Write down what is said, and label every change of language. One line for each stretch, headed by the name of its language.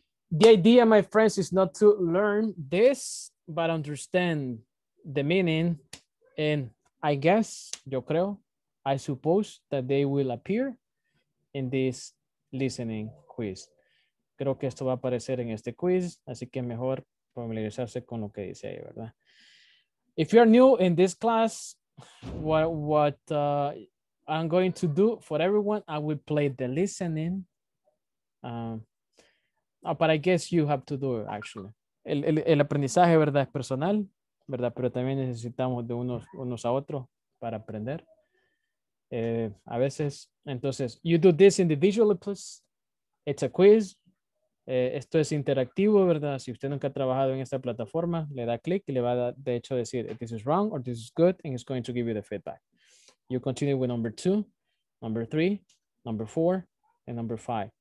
English: The idea, my friends, is not to learn this, but understand the meaning. And I guess,
Spanish: yo creo,
English: I suppose that they will appear in this listening quiz.
Spanish: Creo que esto va a aparecer en este quiz, así que mejor familiarizarse con lo que dice ahí, ¿verdad?
English: If you are new in this class, what I'm going to do for everyone, I will play the listening. But I guess you have to do it, actually.
Spanish: El aprendizaje, ¿verdad? Es personal, ¿verdad? Pero también necesitamos de unos a otros para aprender. A veces, entonces,
English: you do this individually, please. It's a quiz.
Spanish: Esto es interactivo, ¿verdad? Si usted nunca ha trabajado en esta plataforma, le da clic y le va a, de hecho, decir
English: this is wrong or this is good, and it's going to give you the feedback. You continue with number 2, number 3, number 4, and number 5.